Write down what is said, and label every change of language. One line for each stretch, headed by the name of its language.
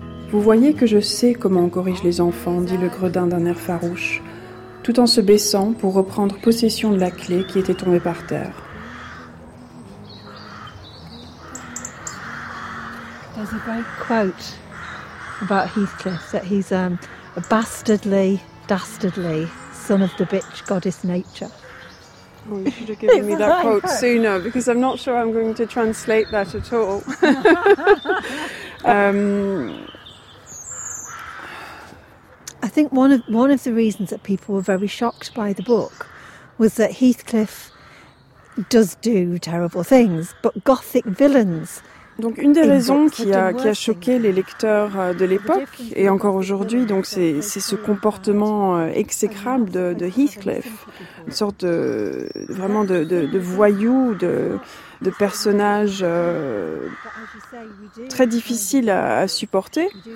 French: vous voyez que je sais comment on corrige les enfants, dit le gredin d'un air farouche, tout en se baissant pour reprendre possession de la clé qui était tombée par terre.
English: There's a great quote about Heathcliff, that he's a bastardly, dastardly son of the bitch goddess nature. Oh, you should have given me that quote sooner, because I'm not sure I'm going to translate that at all. I think one of the reasons that people were very shocked by the book was that Heathcliff does do terrible things, but gothic villains.
French: Donc une des raisons qui a choqué les lecteurs de l'époque et encore aujourd'hui, donc c'est ce comportement exécrable de Heathcliff, une sorte de, vraiment de voyou, de personnage très difficile à supporter.